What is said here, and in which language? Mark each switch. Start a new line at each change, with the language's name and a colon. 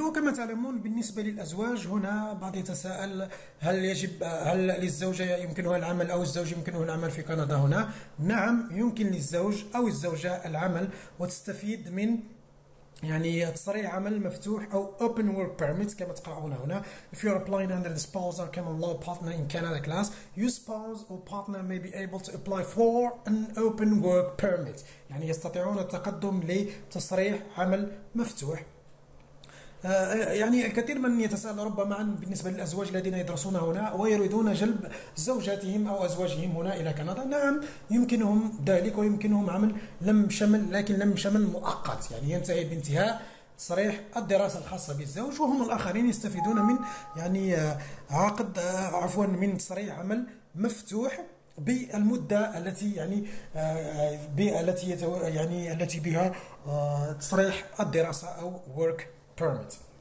Arabic: وكما تعلمون بالنسبة للأزواج هنا بعض يتساءل هل للزوجة يمكنها العمل أو الزوج يمكنه العمل في كندا هنا؟ نعم، يمكن للزوج أو الزوجة العمل وتستفيد من يعني تصريح عمل مفتوح أو
English: open work permit
Arabic: كما تقرأون هنا.
English: If you are applying under the spouse or common law partner in Canada class, your spouse or partner may be able to apply for an open work permit.
Arabic: يعني يستطيعون التقدم لتصريح عمل مفتوح. يعني الكثير من يتساءل ربما عن بالنسبة للأزواج الذين يدرسون هنا ويريدون جلب زوجاتهم أو أزواجهم هنا إلى كندا. نعم يمكنهم ذلك، ويمكنهم عمل لم شمل، لكن لم شمل مؤقت يعني ينتهي بانتهاء صريح الدراسة الخاصة بالزوج، وهم الآخرين يستفيدون من يعني عقد عفوا من صريح عمل مفتوح بالمدة التي يعني بالتي يعني التي بها صريح الدراسة أو work permit.